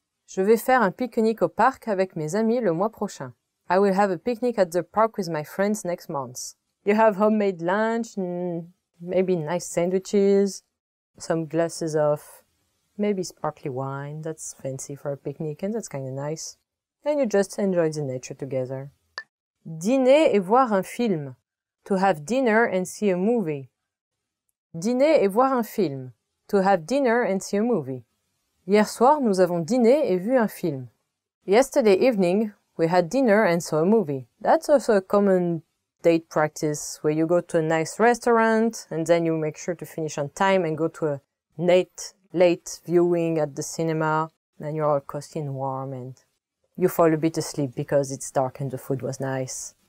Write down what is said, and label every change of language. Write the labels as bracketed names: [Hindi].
[French] Je vais faire un pique-nique au parc avec mes amis le mois prochain. [English] I will have a picnic at the park with my friends next month. You have homemade lunch, maybe nice sandwiches, some glasses of maybe sparkly wine. That's fancy for a picnic and that's kind of nice. And you just enjoy the nature together. [French] Dîner et voir un film. [English] To have dinner and see a movie. [French] Dîner et voir un film. [English] To have dinner and see a movie. [French] Hier soir, nous avons dîné et vu un film. [English] Yesterday evening, we had dinner and saw a movie. That's also a common date practice where you go to a nice restaurant and then you make sure to finish on time and go to a late viewing at the cinema. Then you're all cozy and warm and you fall a bit asleep because it's dark and the food was nice.